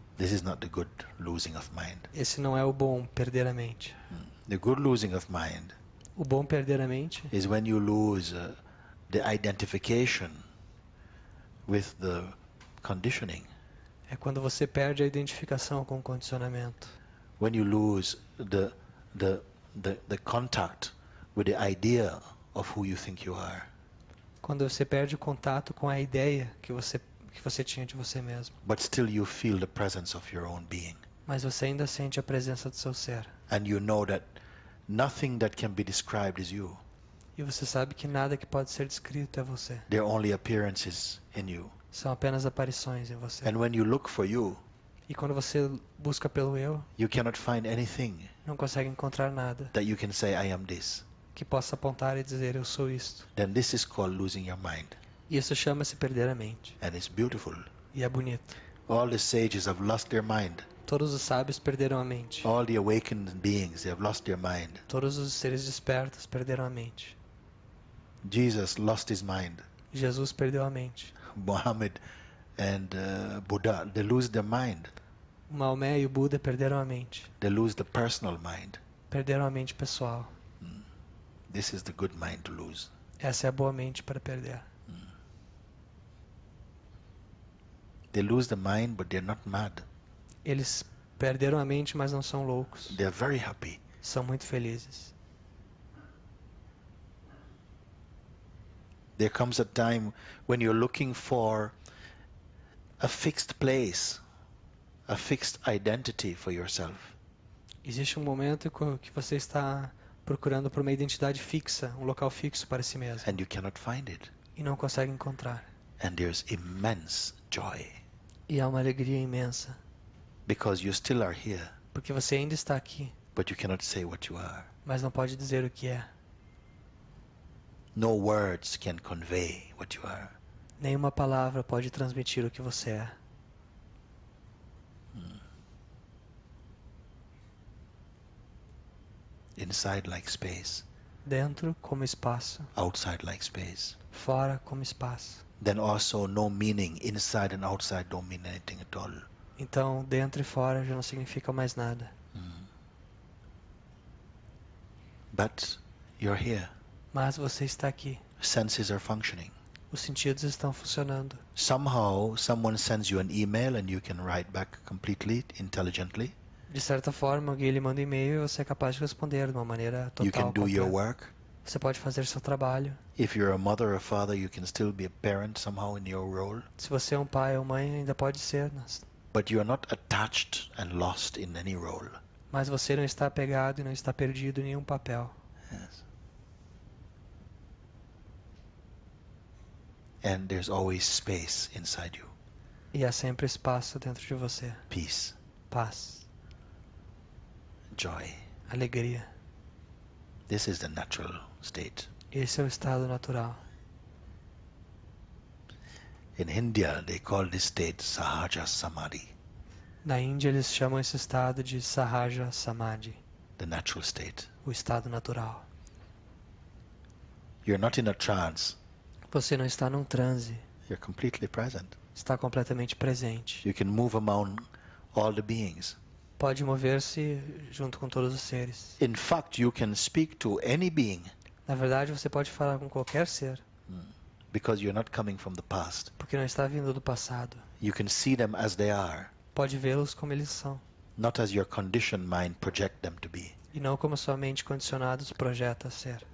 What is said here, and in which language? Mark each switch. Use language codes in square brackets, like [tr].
[en] This is not the good losing of mind. [pt] Esse não é o bom perder a mente. [en] The good losing of mind. [pt] O bom perder a mente. [en] Is when you lose the identification with the conditioning. [pt] É quando você perde a identificação com o condicionamento. [en] When you lose the contact with the idea of who you think you are. [pt] Quando você perde o contato com a ideia que você tinha de você mesmo. [en] But still you feel the presence of your own being. [pt] Mas você ainda sente a presença do seu ser. [en] And you know that Nothing that can be described is you. [pt] E você sabe que nada que pode ser descrito é você. [en] There are only appearances in you. [pt] São apenas aparições em você. [en] And when you look for you, [pt] e quando você busca pelo eu, [en] you cannot find anything. [pt] Não consegue encontrar nada. [en] That you can say I am this. [pt] Que possa apontar e dizer eu sou isto. [en] Then this is called losing your mind. [pt] E isso chama-se perder a mente. [en] And it's beautiful. [pt] E é bonito. [en] All the sages have lost their mind. [pt] Todos os sábios perderam a mente. [en] All the awakened beings, they have lost their mind. [pt] Todos os seres despertos perderam a mente. [en] Jesus lost his mind. [pt] Jesus perdeu a mente. [en] Muhammad and Buddha, they lose their mind. [pt] Maomé e o Buda perderam a mente. [en] They lose the personal mind. [pt] Perderam a mente pessoal. [en] This is the good mind to lose. [pt] Essa é a boa mente para perder. [en] They lose the mind, but they're not mad. [pt] Eles perderam a mente, mas não são loucos. [en] They are very happy. [pt] São muito felizes. [en] There comes a time when you're looking for a fixed place, a fixed identity for yourself. [pt] Existe um momento que você está procurando por uma identidade fixa, um local fixo para si mesmo. [en] And you cannot find it. [pt] E não consegue encontrar. [en] And there's immense joy. [pt] E há uma alegria imensa. [en] Because you still are here. [pt] Porque você ainda está aqui. [en] But you cannot say what you are. [pt] Mas não pode dizer o que é. [en] No words can convey what you are. [pt] Nenhuma palavra pode transmitir o que você é. [en] Inside like space. [pt] Dentro como espaço. [en] Outside like space. [pt] Fora como espaço. [en] Then also no meaning inside and outside don't mean anything at all. [pt] Então, dentro e fora já não significa mais nada. [en] But you're here. [pt] Mas você está aqui. [en] Senses are functioning. [pt] Os sentidos estão funcionando. [en] Somehow someone sends you an email and you can write back completely intelligently. [pt] De certa forma, alguém lhe manda e-mail e você é capaz de responder de uma maneira total. [en] You can do your work. [pt] Você pode fazer seu trabalho. [en] If you're a mother or father, you can still be a parent somehow in your role. [pt] Se você é um pai ou mãe, ainda pode ser. [en] But you are not attached and lost in any role. [pt] Mas você não está apegado e não está perdido em nenhum papel. [en] Yes. And there's always space inside you. [pt] E há sempre espaço dentro de você. [en] Peace. [pt] Paz. [en] Joy. [pt] Alegria. [en] This is the natural state. [pt] Esse é o estado natural. [en] In India, they call this state Sahaja Samadhi. [pt] Na Índia, eles chamam esse estado de Sahaja Samadhi. [en] The natural state. [pt] O estado natural. [en] You're not in a trance. [pt] Você não está num transe. [en] You're completely present. [pt] Está completamente presente. [en] You can move among all the beings. [pt] Pode mover-se junto com todos os seres. [en] In fact, you can speak to any being. [pt] Na verdade, você pode falar com qualquer ser. [en] Because you're not coming from the past. [pt] Porque não está vindo do passado. [en] You can see them as they are. [pt] Pode vê-los como eles são. [en] Not as your conditioned mind project them to be. [pt] E não como sua mente condicionada os projeta a ser.